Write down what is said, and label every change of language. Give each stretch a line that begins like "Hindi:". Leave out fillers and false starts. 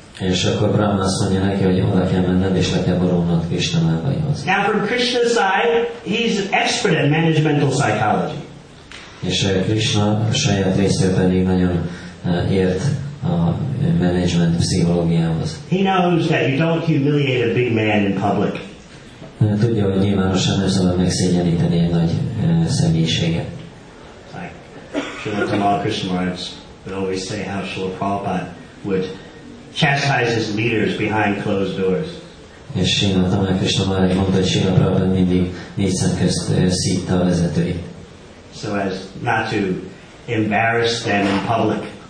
Hungarian: És akkor Brahma azt mondja neki, hogy oda kell menned, és le kell borulnod Krishna lábaihoz.
English: Now from Krishna's side, he's an expert in managemental psychology.
Hungarian: És Krishna saját részéről pedig nagyon ért a management pszichológiához.
English: He knows that you don't humiliate a big man in public.
Hungarian: Tudja, hogy nyilvánosan nem szabad megszégyeníteni egy nagy személyiséget.
English: Srila Tamal Krishnamurti would always say how Srila Prabhupada would chastise his leaders behind closed doors.
Hungarian: És Srila Tamal Krishnamurti mondta, hogy Srila Prabhupada mindig négy szem közt szívta a vezetőit.
English: So as not to embarrass them in public.